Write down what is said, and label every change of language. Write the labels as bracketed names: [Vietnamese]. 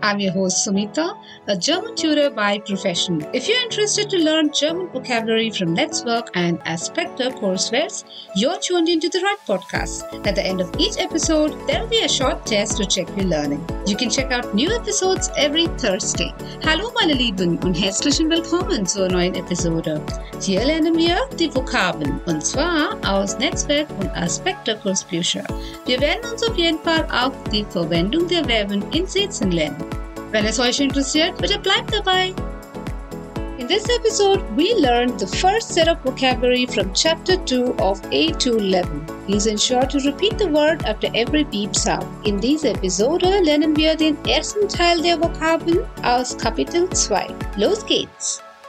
[English] I'm your host Sumita, a German tutor by profession. If you're interested to learn German vocabulary from Let's Work and Aspector coursewares, you're tuned into the right podcast. At the end of each episode, there'll be a short test to check your learning. You can check out new episodes every Thursday. [German] Hallo meine Lieben und herzlichen willkommen zur neuen Episode. Hier lernen wir die Vokabeln, und zwar aus Netzwerk und Aspector. Wir werden uns auf jeden Fall auch die Verwendung der Verben in Sätzen lernen. Wenn es euch interessiert, bitte bleibt dabei! [English] In this episode, we learned the first set of vocabulary from Chapter 2 of A2 Level. Please ensure to repeat the word after every beep sound. In this episode, [German] lernen wir den ersten Teil der Vokabeln aus Kapitel 2. Los geht's!